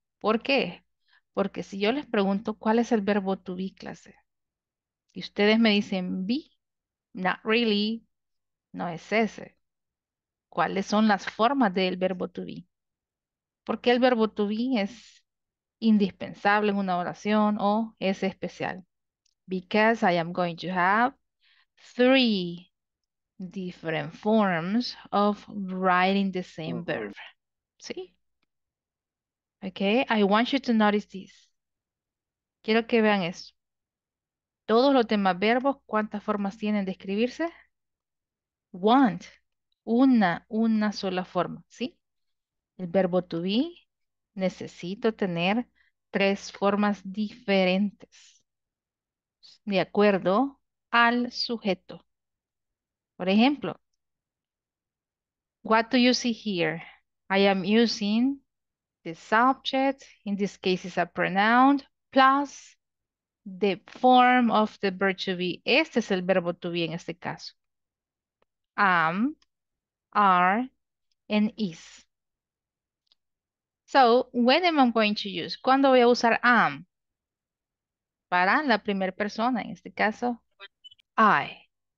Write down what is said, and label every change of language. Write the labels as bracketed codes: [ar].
[es] ¿Por qué? Porque si yo les pregunto cuál es el verbo to be, clase, y ustedes me dicen be, [en] not really, [es] no es ese. ¿Cuáles son las formas del verbo to be? ¿Por qué el verbo to be es indispensable en una oración o es especial? [en] Because I am going to have three different forms of writing the same verb. ¿Sí? Okay, I want you to notice this. [es] Quiero que vean esto. Todos los demás verbos, ¿cuántas formas tienen de escribirse? Want. Una sola forma, ¿sí? El verbo to be, necesito tener tres formas diferentes. De acuerdo al sujeto. Por ejemplo, [en] what do you see here? I am using the subject, in this case is a pronoun, plus the form of the verb to be. [es] Este es el verbo to be en este caso. Am, are, and is. [en] So, when am I going to use? [es] ¿Cuándo voy a usar am? Para la primera persona, en este caso, I.